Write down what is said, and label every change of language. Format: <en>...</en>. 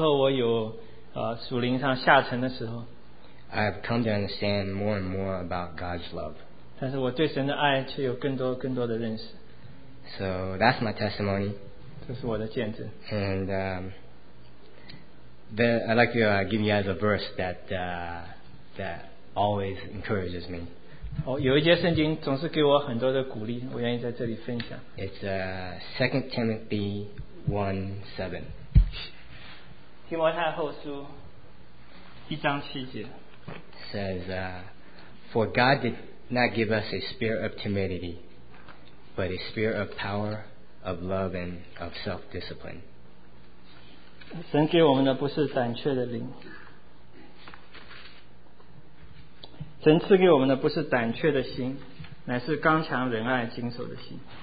<zh>虽然说在那之后我有属灵上下沉的时候,</zh> <en>I have come to understand more and more about God's love.</en> <zh>但是我对神的爱却有更多更多的认识。</zh> <en>So that's my testimony.</en> <zh>这是我的见证。</zh> <en>And then I'd like to give you guys a verse that that always encourages me.</en> <zh>有一节圣经总是给我很多的鼓励, 我愿意在这里分享。</zh> <en>It's 2 Timothy 1:7.</en> <zh>提摩太后书1章7节</zh> <en>says, For God did not give us a spirit of timidity, but a spirit of power, of love, and of self-discipline.</en> <zh>神给我们的不是胆怯的灵, 神赐给我们的不是胆怯的心, 乃是刚强仁爱谨守的心。</zh>